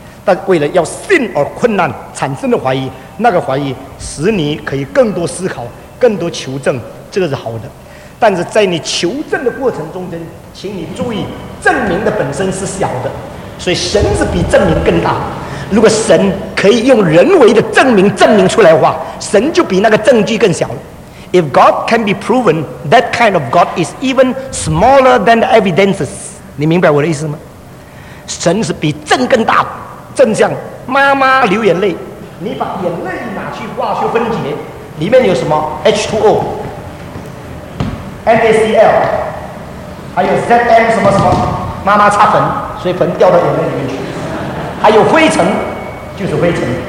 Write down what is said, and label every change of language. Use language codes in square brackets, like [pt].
[zh] 但为了要信而困难产生的怀疑，那个怀疑使你可以更多思考，更多求证，这个是好的。但是在你求证的过程中间，请你注意，证明的本身是小的，所以神是比证明更大。如果神可以用人为的证明证明出来的话，神就比那个证据更小了。 [en] If God can be proven, that kind of God is even smaller than the evidences. [zh] 你明白我的意思吗？神是比证更大的。正像妈妈流眼泪，你把眼泪拿去化学分解，里面有什么 H2O、NaCl， 还有 Zm 什么什么，妈妈擦粉，所以粉掉到眼泪里面去，还有灰尘，就是灰尘。